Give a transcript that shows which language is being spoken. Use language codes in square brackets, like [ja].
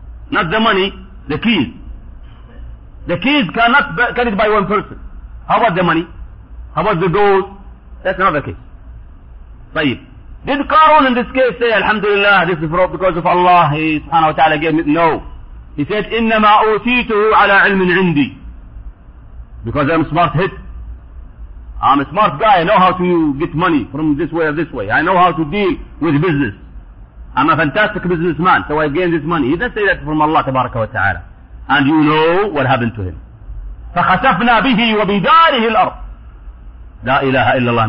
[en] Not the money, the keys. The keys cannot be carried by one person. How about the money? How about the gold? That's another case. Tayyib. Did Qarun in this case say, Alhamdulillah, this is because of Allah, he subhanahu wa ta'ala gave me? No. He said, [ar] إِنَّمَا أُوْتِيتُهُ عَلَىٰ عِلْمٍ عِنْدِي. [en] Because I'm a smart hit. I'm a smart guy, I know how to get money from this way or this way. I know how to deal with business. I'm a fantastic businessman, so I gain this money. He didn't say that from Allah, tabaraka wa ta'ala. And you know what happened to him. [ar] فَخَسَفْنَا بِهِ وَبِدَارِهِ الْأَرْضِ. لَا إِلَهَ إِلَّا اللَّهِ.